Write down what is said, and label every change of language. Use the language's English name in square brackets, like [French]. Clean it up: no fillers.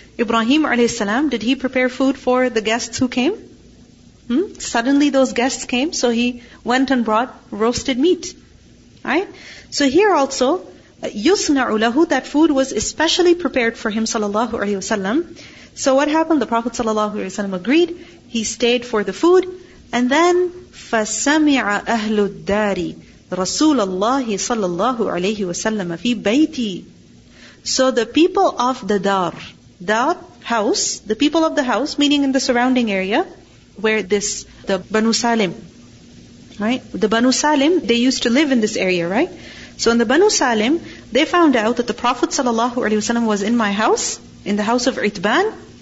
[English] Ibrahim alayhi salam, did he prepare food for the guests who came? Suddenly those guests came, so he went and brought roasted meat. Right? So here also, [Arabic] يُصْنَعُ لَهُ, [English] that food was especially prepared for him, sallallahu alayhi wasallam. So what happened? The Prophet sallallahu alayhi wasallam agreed. He stayed for the food. [Arabic] And then, فَسَمِعَ أَهْلُ الدَّارِ رَسُولَ اللَّهِ صَلَّى اللَّهُ عَلَيْهِ وَسَلَّمَ فِي بَيْتِي. [English] So the people of the dar, dar, house, the people of the house, meaning in the surrounding area, where this, the Banu Salim, right? The Banu Salim, they used to live in this area, right? So in the Banu Salim, they found out that the Prophet sallallahu alayhi wasallam was in my house, in the house of Itban.